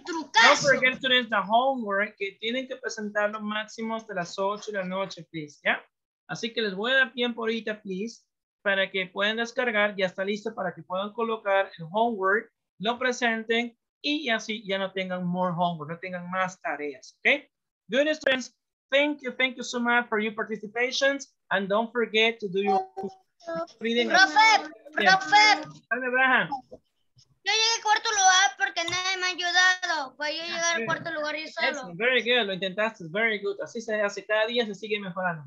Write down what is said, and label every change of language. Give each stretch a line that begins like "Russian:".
English: No forget, students, the homework
Spanish: que tienen que presentar lo máximo hasta las 8 de la noche, please, ¿ya? Así que les voy a dar tiempo ahorita, please, para que puedan descargar, ya está listo para que puedan colocar el homework, lo presenten y así ya no tengan
English: more homework,
Spanish: no tengan más tareas, ¿ok?
English: Good, students, thank you so much for your participation and don't forget to do your reading.
Spanish: Profe. Yo llegué a cuarto lugar porque nadie me ha ayudado. Pues yo llegué al cuarto lugar yo solo.
English: Yes, very good,
Spanish: lo intentaste.
English: Very good.
Spanish: Así se hace cada día, se sigue mejorando.